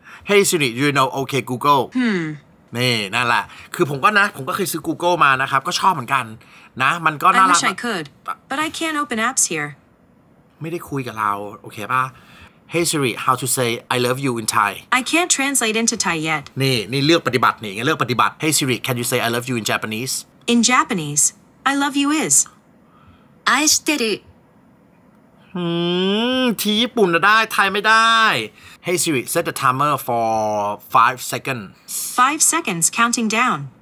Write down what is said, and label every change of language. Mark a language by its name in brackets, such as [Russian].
[English] Hey Siri, do you know okay, Google? [Thai] นี่นั่นแหละคือผมก็นะผมก็เคยซื้อ Google มานะครับก็ชอบเหมือนกันนะมันก็น่ารัก [English] I wish I could but I can't open apps here [Thai] ไม่ได้คุยกับเราโอเคป่ะ [English] Hey Siri how to say I love you in Thai I can't translate into Thai yet [Thai] นี่เลือกปฏิบัตินี่เลือกปฏิบัติ [English] Hey Siri can you say I love you in Japanese In Japanese I love you is [Japanese] I してる [Thai] ที่ญี่ปุ่นน่ะได้ไทยไม่ได้ [English] Hey Siri, set the timer for 5 seconds. 5 seconds counting down.